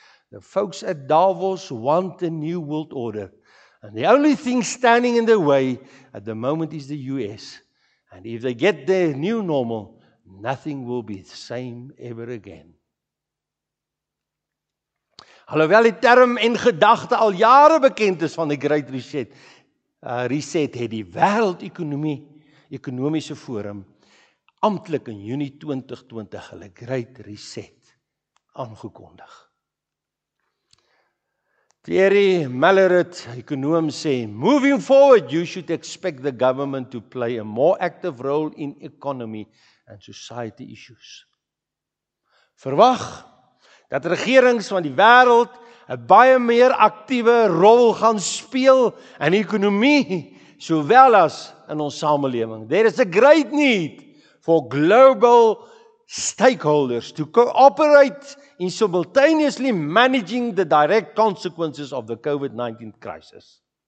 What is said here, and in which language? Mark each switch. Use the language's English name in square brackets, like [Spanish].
[English] The folks at Davos want a new world order, and the only thing standing in their way at the moment is the US. And if they get their new normal, nothing will be the same ever again. [Afrikaans] Alhoewel die term en gedagte al jare bekend is van die Great Reset, het die wêreldekonomie ekonomiese forum amptelik in Junie 2020 hulle Great Reset aangekondig. [English] Thierry Mallaret, ekonoom, sê, "Moving forward, you should expect the government to play a more active role in economy and society issues." [Afrikaans] Verwag dat regerings van die wêreld 'n baie meer aktiewe rol gaan speel in ekonomie sowel as in ons samelewing. [English] There is a great need for global stakeholders to cooperate in simultaneously managing the direct consequences of the COVID-19 crisis.